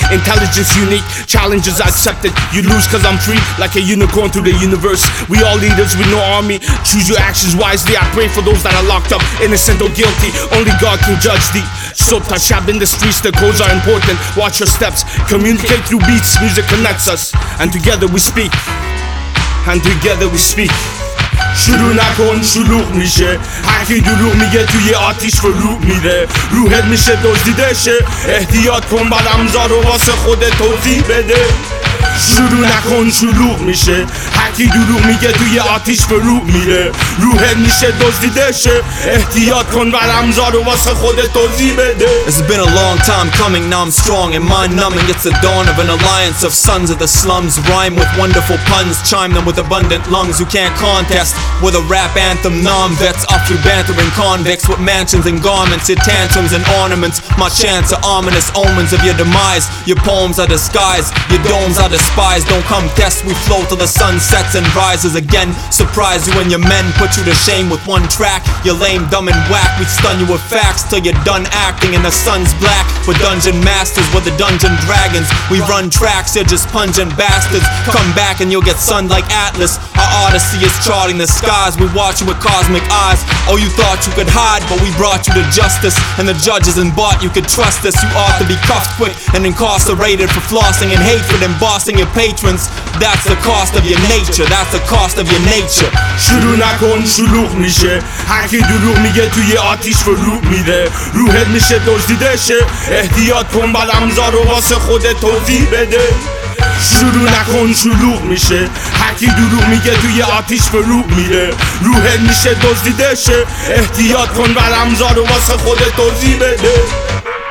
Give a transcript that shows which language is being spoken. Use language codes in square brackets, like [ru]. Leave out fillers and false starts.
[en] Intelligence unique, challenges I accepted. You lose cause I'm free, like a unicorn through the universe. We all leaders with no army, choose your actions wisely. I pray for those that are locked up, innocent or guilty. Only God can judge thee. Sota, shab in the streets, the codes are important. Watch your steps, communicate through beats. Music connects us, and together we speak. And together we speak. [fa] شروع نکن شروع میشه هر کی دروغ میگه توی آتیش فرو میره روحت میشه دزدیده شه احتیاط کن برمزا رو واسه خودت توضیح بده شروع نکن شروع میشه هر کی دروغ میگه توی آتیش فرو میره روحت میشه دزدیده شه احتیاط کن برمزا رو واسه خودت توضیح بده [en] It's been a long time coming, now I'm strong and mind numbing. It's the dawn of an alliance of sons of the slums. Rhyme with wonderful puns, chime them with abundant lungs. Who can't contest with a rap anthem numb? Vets up through bantering convicts with mansions and garments, your tantrums and ornaments. My chants are ominous omens of your demise. Your poems are disguised, your domes are despised. Don't come test, we flow till the sun sets and rises again. Surprise you and your men, put you to shame with one track. You're lame, dumb and whack, we stun you with facts till you're done acting. And the sun's black, we're dungeon masters, we're the dungeon dragons. We run tracks, you're just pungent bastards. Come back and you'll get sunned like Atlas. Our odyssey is charting the skies, we watch you with cosmic eyes. Oh, you thought you could hide, but we brought you to justice. And the judges in bought, you could trust us. You ought to be cuffed quick and incarcerated for flossing and hatred and bossing your patrons. That's the cost of your nature, that's the cost of your nature. [fa] شروع نکن شروع میشه هر کی دروغ میگه توی آتیش فرو میره روحت میشه دزدیده شه احتیاط کن بلمزا رو واسه خودت توضیح بده شروع نکن شروع میشه هر کی دروغ میگه توی آتیش فرو میره روحت میشه دزدیده شه احتیاط کن بلمزا رو واسه خودت توضیح بده